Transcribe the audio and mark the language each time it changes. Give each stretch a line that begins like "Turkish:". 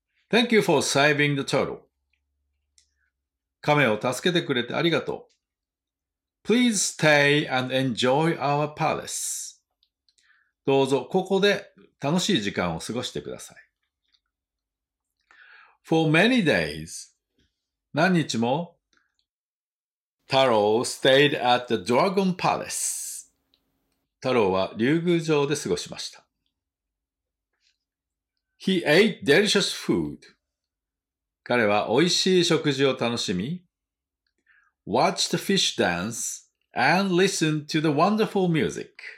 English: Thank you for saving the turtle.
Japanese: 亀を助けてくれてありがとう。
English: Please stay and enjoy our palace.
Japanese: どうぞここで楽しい時間を過ごしてください。
English: For many days,
Japanese: 何日も
English: Taro stayed at the Dragon Palace.
Japanese: 太郎は竜宮城で過ごしました。
English: He ate delicious food.
Japanese: 彼は美味しい食事を楽しみ、
English: watched the fish dance and listened to the wonderful music.